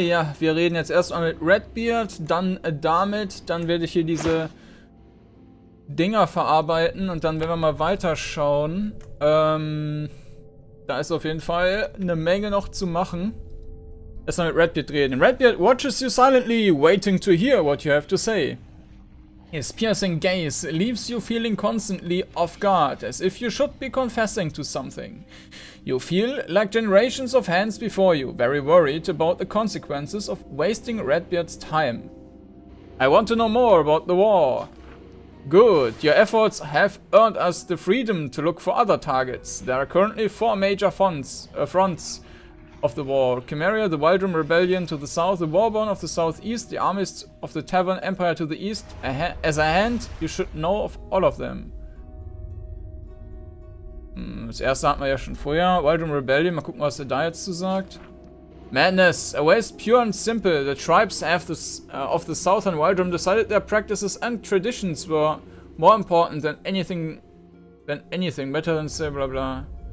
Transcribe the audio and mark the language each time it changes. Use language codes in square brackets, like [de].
[de] Ja, wir reden jetzt erstmal mit Redbeard, dann damit, dann werde ich hier diese Dinger verarbeiten und dann werden wir mal weiterschauen. Da ist auf jeden Fall eine Menge noch zu machen. Erstmal mit Redbeard reden. [en] Redbeard watches you silently, waiting to hear what you have to say. His piercing gaze leaves you feeling constantly off guard, as if you should be confessing to something. You feel like generations of hands before you, very worried about the consequences of wasting Redbeard's time. I want to know more about the war. Good, your efforts have earned us the freedom to look for other targets. There are currently four major fronts of the war. Chimeria, the Wildrum Rebellion to the south, the Warborn of the southeast, the armies of the Tavern Empire to the east. As a hand, you should know of all of them. [de] Das erste hatten wir ja schon vorher. Wildrum Rebellion, mal gucken, was der da jetzt zu sagt. [en] Madness, a waste pure and simple. The tribes have this, of the southern Wildrum decided their practices and traditions were more important than anything. Better than say blah blah.